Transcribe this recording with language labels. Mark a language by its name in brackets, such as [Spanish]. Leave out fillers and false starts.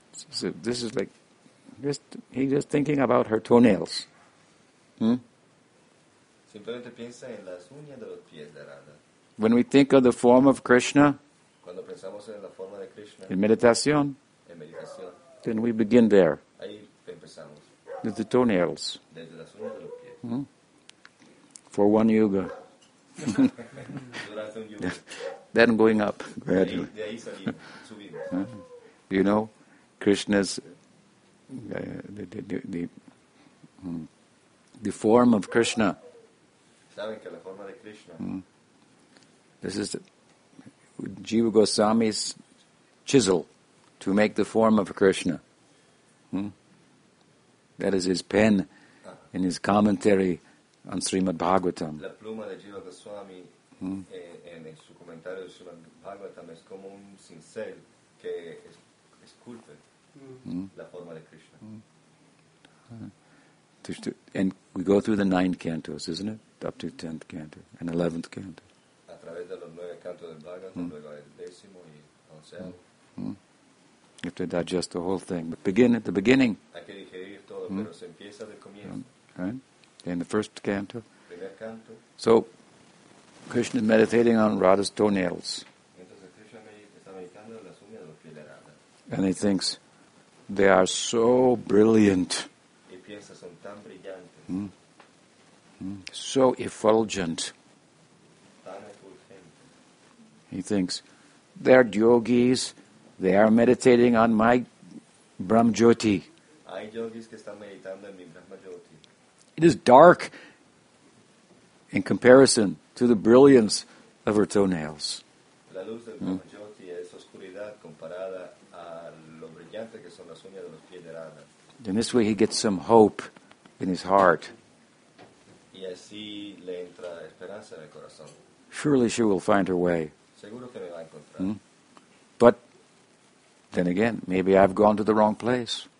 [English] So this is like, he's just thinking about her toenails. [Spanish] Simplemente piensa en las uñas de los pies de Radha. [English] When we think of the form of Krishna, [Spanish] cuando pensamos en la forma de Krishna, en meditación, [English] then we begin there. [Spanish] Ahí empezamos. [English] With the toenails. [Spanish] Desde las uñas de los pies. [English] For one yoga. [Spanish] Durante un yoga. [English] Then going up gradually. [Spanish] De ahí salimos, subimos. [English] You know, Krishna's the form of Krishna. [Spanish] ¿Saben que la forma de Krishna? [English] This is Jiva Goswami's chisel to make the form of Krishna. That is his pen in his commentary on Srimad Bhagavatam. [Spanish] La pluma de Jiva Goswami en su comentario de Srimad Bhagavatam es como un cincel que esculpe. La forma de Krishna. [English] And we go through the 9 cantos, isn't it? Up to 10th canto and 11th canto. [Spanish] A través de los 9 cantos del Bhagavatam, luego el décimo y onceavo. [English] You have to digest the whole thing. But begin at the beginning. [Spanish] Hay que digerir todo, pero se empieza del comienzo. [English] Right? In the first canto. [Spanish] Primer canto. [English] So, Krishna is meditating on Radha's toenails. [Spanish] Entonces Krishna está meditando en las uñas de los pies de Radha. [English] And he thinks, they are so brilliant. [Spanish] Y piensa, son tan brillantes. [English] So effulgent. He thinks, they are yogis, they are meditating on my Brahmjyoti. [Spanish] Hay yogis que están meditando en mi Brahmjyoti. [English] It is dark in comparison to the brilliance of her toenails. [Spanish] La luz del Brahmjyoti es oscuridad comparada a lo brillante que son las uñas de los pies de Radha. [English] Then this way he gets some hope in his heart. [Spanish] Y así le entra esperanza en el corazón. [English] Surely she will find her way. [Spanish] Seguro que me va a encontrar. [English] But then again, maybe I've gone to the wrong place.